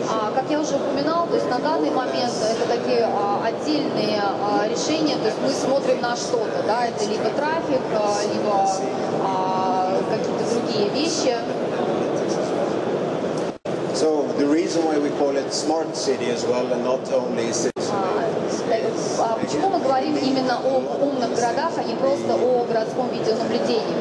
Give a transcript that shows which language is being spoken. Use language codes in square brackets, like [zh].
[ru] Как я уже упоминал, то есть на данный момент это такие отдельные решения, то есть мы смотрим на что-то, да, это либо трафик, либо какие-то другие вещи. [en] So the reason why we call it smart city as well and not only city. [ru] Почему мы говорим именно о умных городах, а не просто о городском видеонаблюдении?